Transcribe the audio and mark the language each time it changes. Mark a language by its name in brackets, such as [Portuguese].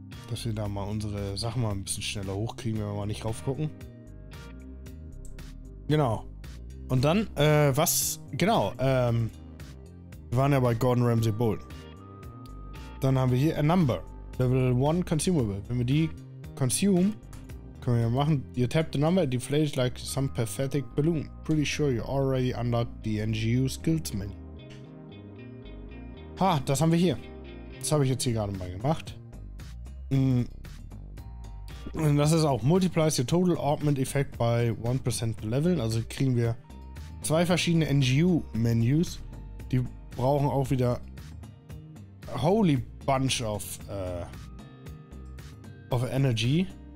[German] Dass wir da mal unsere Sachen mal ein bisschen schneller hochkriegen, wenn wir mal nicht raufgucken. Genau. Und dann, was? Genau, wir waren ja bei Gordon Ramsay Bolton. Dann haben wir hier a number. Level 1 consumable. Wenn wir die consume, können wir ja machen. [English] You tap the number, it deflates like some pathetic balloon. Pretty sure you already unlocked the NGU skills menu. [German] Ha, das haben wir hier. Das habe ich jetzt hier gerade mal gemacht. Und das ist auch [English] multiplies your total augment effect by 1% level. [German] Also kriegen wir zwei verschiedene NGU Menus. Die brauchen auch wieder [English] holy bunch of energy.